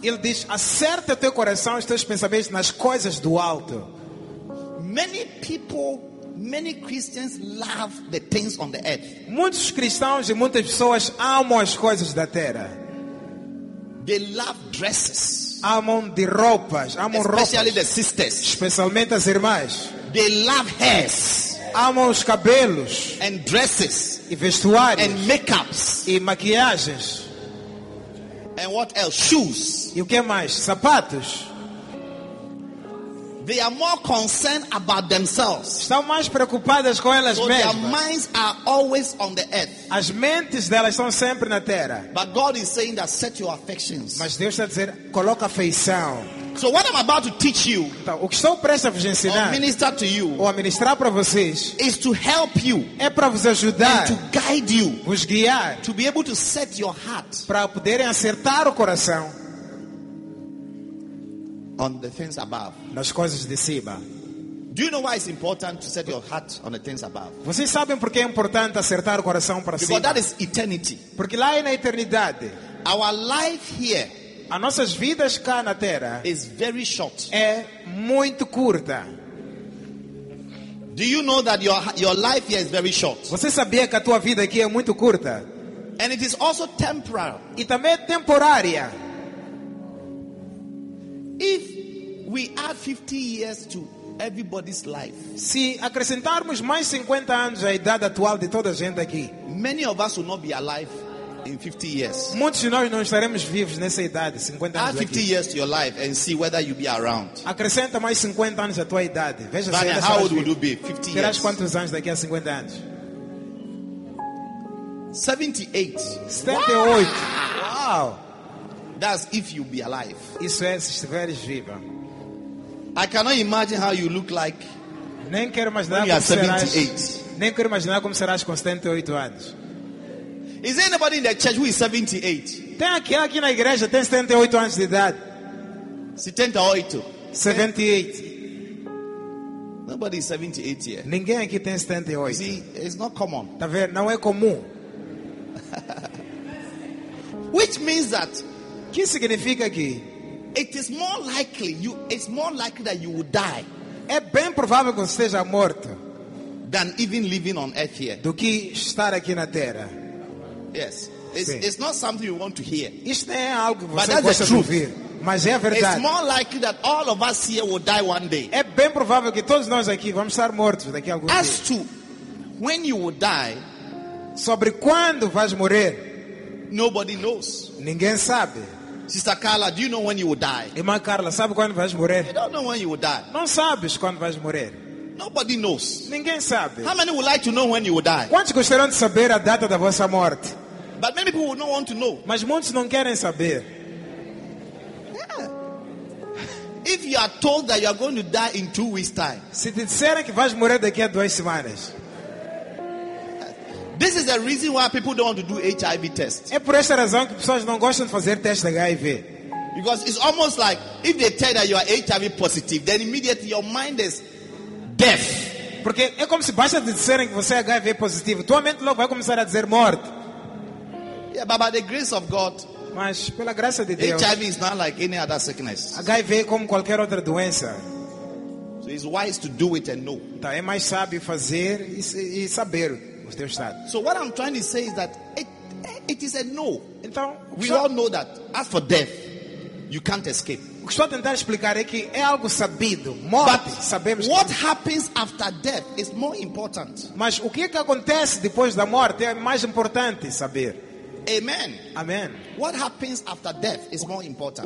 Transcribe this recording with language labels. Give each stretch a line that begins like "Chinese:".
Portuguese: Ele diz, acerta o teu coração, os teus pensamentos nas coisas do alto.
English: Many people, many Christians love the things on the earth.
Portuguese: Muitos cristãos e muitas pessoas amam as coisas da terra.
English: They love dresses.
Portuguese: Amam de roupas, amam
English: especially
Portuguese: roupas.
English: The sisters.
Portuguese: Especialmente as irmãs.
English: They love hairs.
Portuguese: Amam os cabelos.
English: And dresses.
Portuguese: E vestuários.
English: And makeups.
Portuguese: E maquiagens.
English: And what else? Shoes.
Portuguese: E o que mais? Sapatos.
English: They are more concerned about themselves.
Portuguese: Estão mais preocupadas com elas
English: so
Portuguese: mesmas.
English: Their minds are always on the earth.
Portuguese: As mentes delas estão sempre na terra.
English: But God is saying that set your affections.
Portuguese: Mas Deus está dizendo, coloca afeição.
English: So what I'm about to teach you,
Portuguese: então, o que estou prestes a vos ensinar,
English: or minister to you,
Portuguese: ou a ministrar para vocês,
English: is to help you,
Portuguese: é para vos ajudar,
English: and to guide you,
Portuguese: vos guiar,
English: to be able to set your heart,
Portuguese: para poderem acertar o coração,
English: on the things above,
Portuguese: nas coisas de cima.
English: Do you know why it's important to set your heart on the things above?
Portuguese: Vocês sabem porque é importante acertar o coração para
English: because
Portuguese: cima?
English: Because that is eternity.
Portuguese: Porque lá é na eternidade.
English: Our life here.
Portuguese: As nossas vidas cá na terra
English: is very short.
Portuguese: É muito curta.
English: Do you know that your life here is very short?
Portuguese: Você sabia que a tua vida aqui é muito curta?
English: And it is also temporal.
Portuguese: E também é temporária.
English: If we add 50 years to everybody's life,
Portuguese: se acrescentarmos mais 50 anos à idade atual de toda a gente aqui,
English: many of us will not be alive in 50 years.
Portuguese: Muitos de nós não estaremos vivos nessa idade, 50 anos.
English: Add 50
Portuguese: aqui.
English: Years to your life and see whether you'll be around.
Portuguese: Acrescenta mais 50 anos à tua idade. Veja
English: Vanya,
Portuguese: se
English: how old will you be? 50
Portuguese: terás
English: years.
Portuguese: Quantos anos daqui a 50 anos?
English: 78. Wow. That's if you'll be alive.
Portuguese: Isso é se estiveres viva.
English: I cannot imagine how you look like.
Portuguese: Nem quero imaginar
English: when you are
Portuguese: 78. Nem quero imaginar como serás com 78 anos.
English: Is there anybody in the church who is 78?
Portuguese: Tem aqui na igreja tem 78 anos de idade.
English: 78.
Portuguese: 78.
English: Nobody is 78 here.
Portuguese: Ninguém aqui tem 78.
English: See, it's not common.
Portuguese: Tá vendo? Não é comum.
English: Which means that?
Portuguese: Que significa que?
English: It is more likely you. It's more likely that you will die.
Portuguese: É bem provável que você seja morto.
English: Than even living on earth here.
Portuguese: Do que estar aqui na terra.
English: Yes, it's not something you want to hear.
Portuguese: Isto não é algo que você
English: but that's
Portuguese: gosta
English: the truth.
Portuguese: De ouvir, mas é a verdade.
English: It's more likely that all of us here will die one day.
Portuguese: É bem provável que todos nós aqui vamos estar mortos daqui a alguns dias.
English: As to when you will die,
Portuguese: sobre quando vais morrer,
English: nobody knows.
Portuguese: Ninguém sabe.
English: Sister Carla, do you know when you will die?
Portuguese: Irmã Carla, sabe quando vais morrer?
English: You don't know when you will die.
Portuguese: Não sabes quando vais morrer.
English: Nobody knows.
Portuguese: Ninguém sabe.
English: How many would like to know when you will die?
Portuguese: Quantos gostariam de saber a data da vossa morte?
English: But many people would not want to know.
Portuguese: Mas muitos não querem saber.
English: Yeah. If you are told that you are going to die in 2 weeks' time.
Portuguese: Se te disserem que vais morrer daqui a 2 semanas.
English: This is the reason why people don't want to do HIV tests.
Portuguese: É por esta razão que pessoas não gostam de fazer teste de HIV.
English: Because it's almost like if they tell that you are HIV positive, then immediately your mind is death.
Portuguese: Porque é como se basta te disserem que você é HIV positivo, tua mente logo vai começar a dizer morte.
English: Yeah, but by the grace of God,
Portuguese: mas pela graça de Deus,
English: HIV is not like any other sickness.
Portuguese: HIV é como qualquer outra doença.
English: So it's wise to do it and know.
Portuguese: Então é mais sábio fazer e saber o teu estado.
English: So what I'm trying to say is that it is a no.
Portuguese: Então
English: we all know that. As for death, you can't escape.
Portuguese: O que estou a tentar explicar é que é algo sabido. Morte,
English: but
Portuguese: sabemos.
English: What happens after death is more important.
Portuguese: Mas o que é que acontece depois da morte é mais importante saber.
English: Amen.
Portuguese: Amen.
English: What happens after death is more important.